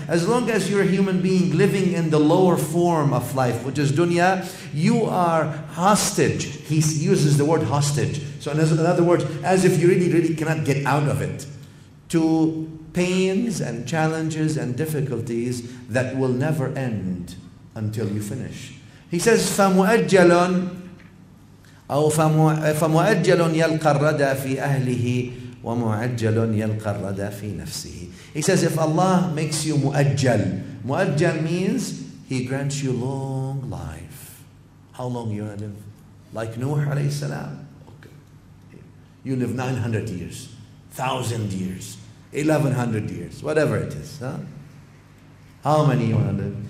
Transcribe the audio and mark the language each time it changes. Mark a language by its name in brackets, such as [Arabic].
[English] As long as you're a human being living in the lower form of life, which is dunya, you are hostage. He uses the word hostage. So in other words, as if you really, really cannot get out of it. To pains and challenges and difficulties that will never end until you finish. [Arabic] He says, "فَمُؤَجَّلٌ أَوْ فَمُؤَجَّلٌ يَلْقَى الرَّدَى فِي أَهْلِهِ وَمُعَجَّلٌ يَلْقَى الرَّدَى فِي نَفْسِهِ." [English] He says, if Allah makes you mu'ajjal, mu'ajjal means He grants you long life. How long you live? Like Nuh alayhi salam? Okay. You live 900 years, 1,000 years, 1,100 years, whatever it is. Huh? How many you want to live?